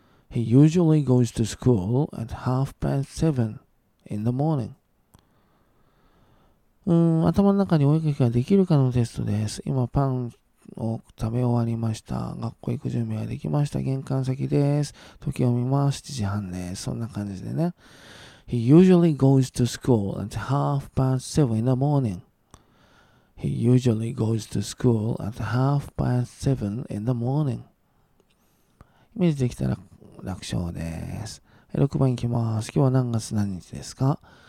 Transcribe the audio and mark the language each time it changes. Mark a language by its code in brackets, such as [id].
[en] he usually goes to school at 7:30 in the morning。 [ja] 頭の中にお絵かきができるかのテストです。今、パン、を食べ終わりました、学校行く準備ができました、玄関先です、時を見ます、7時半です。そんな感じでね、 [en] He usually goes to school at 7:30 in the morning。 He usually goes to school at 7:30 in the morning。 [ja] イメージできたら楽勝です。6番いきます。今日は何月何日ですか。